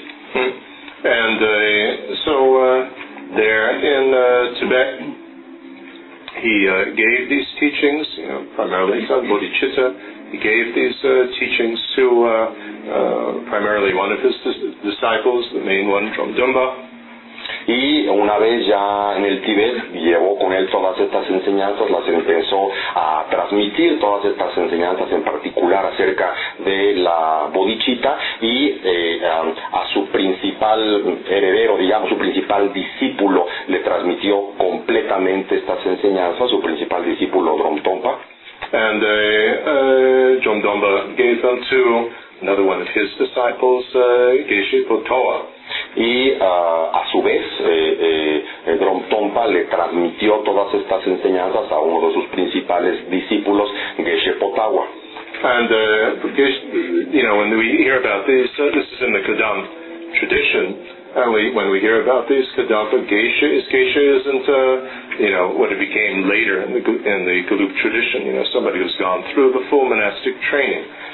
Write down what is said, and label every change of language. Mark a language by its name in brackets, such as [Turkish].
[English] And there in Tibet, he gave these teachings, primarily bodichitta. He gave these teachings to primarily one of his disciples, the main one from Dumba. [Spanish] Y una vez ya en el Tíbet, llevó con él todas estas enseñanzas, las empezó a transmitir, todas estas enseñanzas en particular acerca de la bodichitta, y a su principal heredero, digamos, su principal discípulo, le transmitió completamente estas enseñanzas, su principal discípulo, Drom Tompa. [English] And Drom Tompa gave them to Another one of his disciples, Geshe Potoa. [Spanish] Y a su vez, Drontompa le transmitió todas estas enseñanzas a uno de sus principales discípulos, Geshe Potawa. [English] And you know, when we hear about these, this is in the Kadam tradition. And when we hear about these Kadampa Geshe, what it became later in the Gelug tradition, you know, somebody who's gone through the full monastic training.